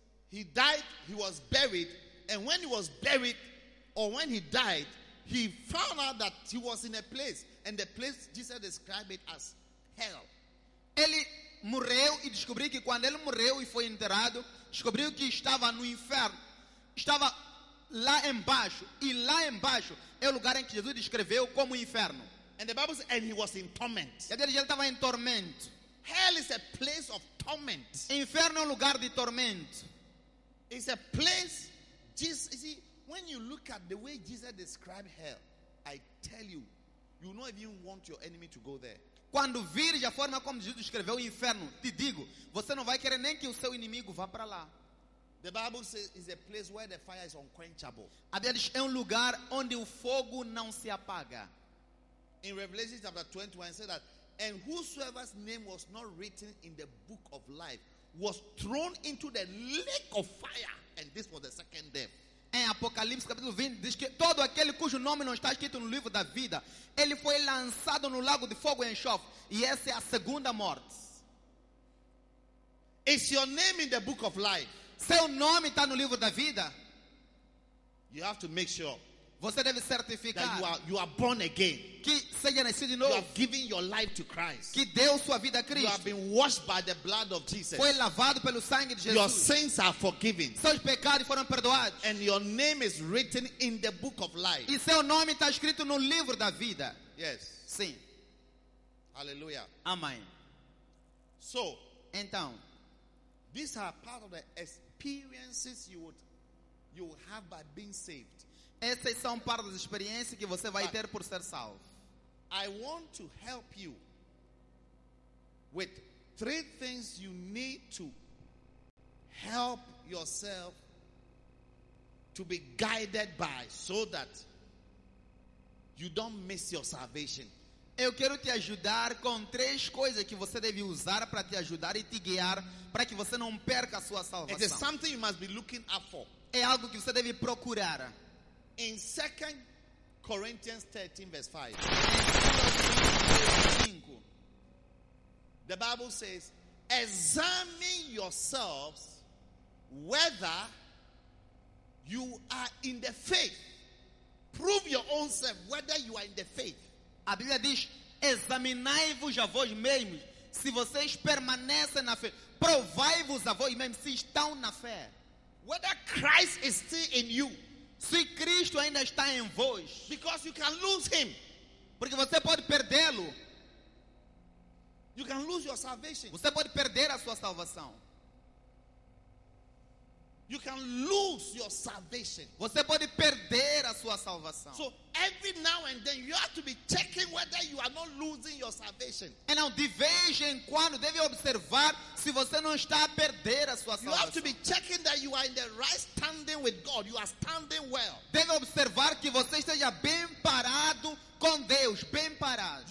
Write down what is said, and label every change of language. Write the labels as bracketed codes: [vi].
[en] He died, he was buried, and when he was buried, or when he died, he found out that he was in a place, and the place Jesus described it as hell. [pt] Ele morreu e descobriu que quando ele morreu e foi enterrado, descobriu que estava no inferno. Estava lá embaixo. E lá embaixo é o lugar em que Jesus descreveu como inferno. [en] And the Bible says, and he was in torment. [pt] E ele estava em tormento. [en] Hell is a place of torment. [pt] Inferno é um lugar de tormento. [en] It's a place, Jesus, you see, when you look at the way Jesus described hell, I tell you, you don't even want your enemy to go there. [pt] Quando vires a forma como Jesus escreveu o inferno, te digo, você não vai querer nem que o seu inimigo vá para lá. [en] The Bible says it's a place where the fire is unquenchable. [pt] A Bíblia diz, é um lugar onde o fogo não se apaga. [en] In Revelation chapter 21, it says that, and whosoever's name was not written in the book of life was thrown into the lake of fire, and this was the second death. [pt] Em Apocalipse capítulo 20 diz que todo aquele cujo nome não está escrito no livro da vida, ele foi lançado no lago de fogo e enxofre, e essa é a segunda morte. [en] Is your name in the book of life? [pt] Seu nome está no livro da vida? [en] You have to make sure. [pt] Você deve certificar [en] that you are born again. [pt] Que seja nascido de novo. [en] You have given your life to Christ. [pt] Que deu sua vida a Cristo. [en] You have been washed by the blood of Jesus. [pt] Foi lavado pelo sangue de Jesus. [en] Your sins are forgiven. [pt] Seus pecados foram perdoados. [en] And your name is written in the book of life. [pt] E seu nome está escrito no livro da vida. [en] Yes. [pt] Sim. [en] Hallelujah. [pt] Amém. [en] So, [pt] então, [en] these are part of the experiences you will have by being saved. [pt] Essas são parte das experiências que você vai ter por ser salvo. [en] I want to help you with three things you need to help yourself to be guided by so that you don't miss your salvation. [pt] Eu quero te ajudar com três coisas que você deve usar para te ajudar e te guiar para que você não perca a sua salvação. [en] It is something you must be looking up for. [pt] É algo que você deve procurar. [en] In 2 Corinthians 13, verse 5, the Bible says, examine yourselves whether You are in the faith. Prove your own self whether you are in the faith. [pt] A Bíblia diz: examinai-vos a vós mesmos se vocês permanecem na fé. Provai-vos a vós mesmos se estão na fé. [en] Whether Christ is still in you. [pt] Se Cristo ainda está em vós. [en] Because you can lose him. [pt] Porque você pode perdê-lo. [en] You can lose your salvation. [pt] Você pode perder a sua salvação. [en] You can lose your salvation. [pt] Você pode perder a sua salvação. [en] So every now and then you have to be checking whether you are not losing your salvation. [pt] E não, de vez em quando deve observar se você não está a perder a sua salvação. [en] You have to be checking that you are in the right standing with God. You are standing well. [pt] Deve observar que você esteja bem parado com Deus, bem parado.